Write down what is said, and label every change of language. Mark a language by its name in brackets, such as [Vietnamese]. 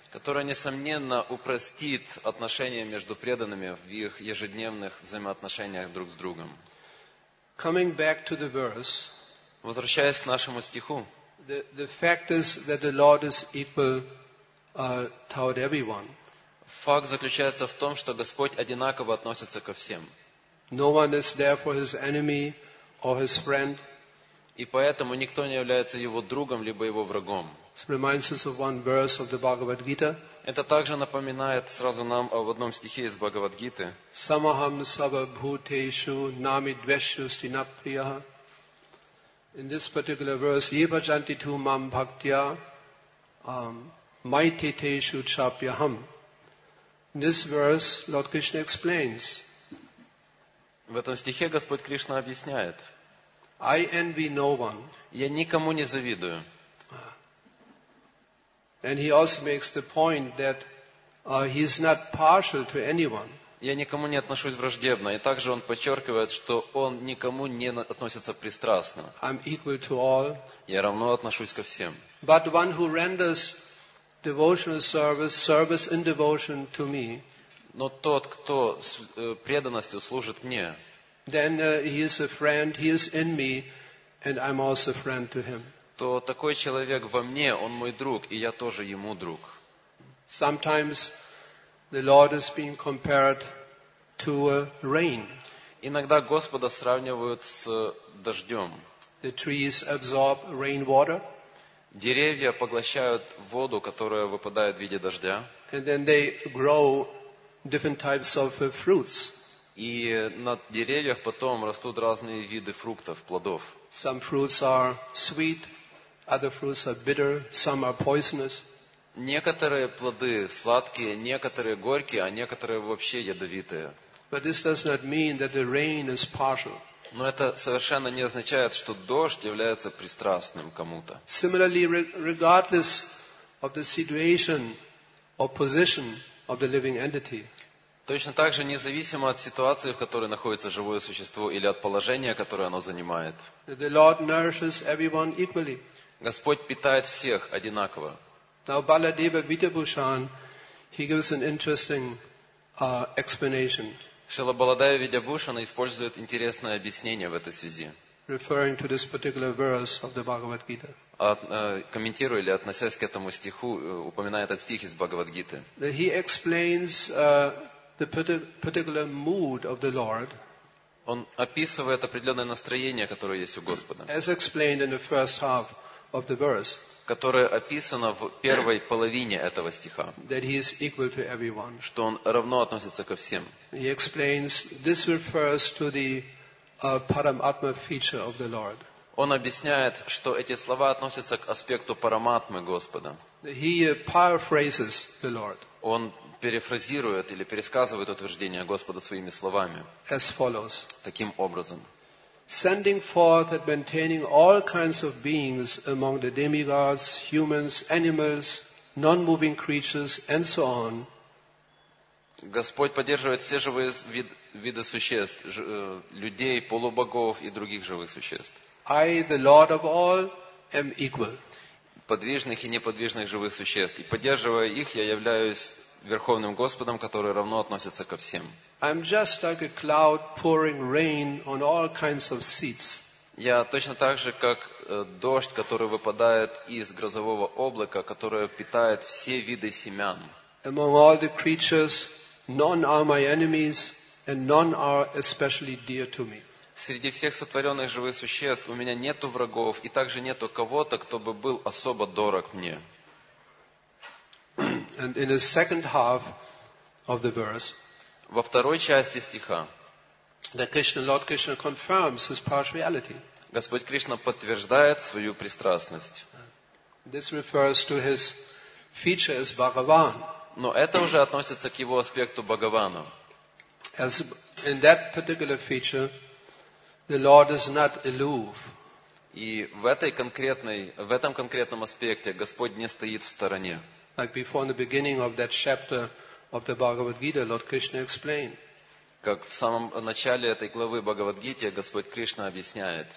[Russian] Которая, несомненно, упростит отношения между преданными в их ежедневных взаимоотношениях друг с другом. [English] Coming back to the verse, [Russian] возвращаясь к нашему стиху, [English] the fact is that the Lord is equal toward everyone. [Russian] Факт заключается в том, что Господь одинаково относится ко всем. [English] No one is therefore His enemy or His friend. [Russian] И поэтому никто не является Его другом либо Его врагом. Это также напоминает сразу нам в одном стихе из Бхагавад-гиты. [Sanskrit] Самахам сава бхутешу нами двешу стинаприяха. [English] In this particular verse, [Sanskrit] ева чанти ту мам бхактия майтетешу чапьяхам. [English] In this verse, Lord Krishna explains. [Russian] В этом стихе Господь Кришна объясняет. [English] I envy no one. [Russian] Я никому не завидую. [English] And he also makes the point that he is not partial to anyone. [Russian] Я никому не отношусь враждебно, и также он подчеркивает, что он никому не относится пристрастно. [English] I'm equal to all. [Russian] Я равно отношусь ко всем. [English] But one who renders devotional service, service in devotion to me. [Russian] Но тот, кто с преданностью служит мне. [English] Then he is a friend, he is in me, and I'm also a friend to him. [Russian] То такой человек во мне, он мой друг, и я тоже ему друг. [English] Sometimes the Lord is being compared to rain. [Russian] Иногда Господа сравнивают с дождем. [English] The trees absorb rainwater. [Russian] Деревья поглощают воду, которая выпадает в виде дождя. [English] And then they grow different types of fruits. [Russian] И на деревьях потом растут разные виды фруктов, плодов. [English] Some fruits are sweet. Other fruits are bitter, some are poisonous. [Russian] Некоторые плоды сладкие, некоторые горькие, а некоторые вообще ядовитые. [English] But this does not mean that the rain is partial. [Russian] Но это совершенно не означает, что дождь является пристрастным кому-то. [English] Similarly, regardless of the situation or position of the living entity. [Russian] Точно так же, независимо от ситуации, в которой находится живое существо или от положения, которое оно занимает. [English] The Lord nourishes everyone equally. [Russian] Господь питает всех одинаково. [English] Now Baladeva Vidyabhushan, he gives an interesting explanation. [Russian] Шрила Баладева Видьябхушан использует интересное объяснение в этой связи. [English] Referring to this particular verse of the Bhagavad Gita. [Russian] Комментируя или относясь к этому стиху, упоминает этот стих из Бхагавад Гиты. [English] He explains the particular mood of the Lord. [Russian] Он описывает определенное настроение, которое есть у Господа. [English] As explained in the first half. Of the verse, [Russian] которое описано в первой половине этого стиха, [English] that he is equal to everyone. [Russian] Что он равно относится ко всем. [English] He explains this refers to the Paramatma feature of the Lord. [Russian] Он объясняет, что эти слова относятся к аспекту Параматмы Господа. [English] He paraphrases the Lord. [Russian] Он перефразирует или пересказывает утверждение Господа своими словами. [English] As follows. [Russian] Таким образом. [English] Sending forth and maintaining all kinds of beings among the demigods, humans, animals, non-moving creatures, and so on. [Russian] Господь поддерживает все живые виды существ, людей, полубогов и других живых существ. [English] I, the Lord of all, am equal. [Russian] Подвижных и неподвижных живых существ. И поддерживая их, я являюсь Верховным Господом, который равно относится ко всем. [English] I'm just like a cloud pouring rain on all kinds of seeds. [Russian] Я точно так же, как дождь, который выпадает из грозового облака, которое питает все виды семян. [English] Among all the creatures, none are my enemies, and none are especially dear to me. [Russian] Среди всех сотворенных живых существ у меня нету врагов, и также нету кого-то, кто бы был особо дорог мне. [English] And in the second half of the verse. [Russian] Во второй части стиха [English] Lord Krishna confirms his partiality. [Russian] Господь Кришна подтверждает свою пристрастность. [English] This refers to his feature as Bhagavan. [Russian] Но это уже относится к его аспекту Бхагавана. [English] In that particular feature, the Lord is not aloof. [Russian] И в этом конкретном аспекте Господь не стоит в стороне. [English] Like before in the beginning of that chapter of the Bhagavad Gita, Lord Krishna explained. [Russian] Как в самом начале этой главы Бхагавад-гиты Господь Кришна объясняет,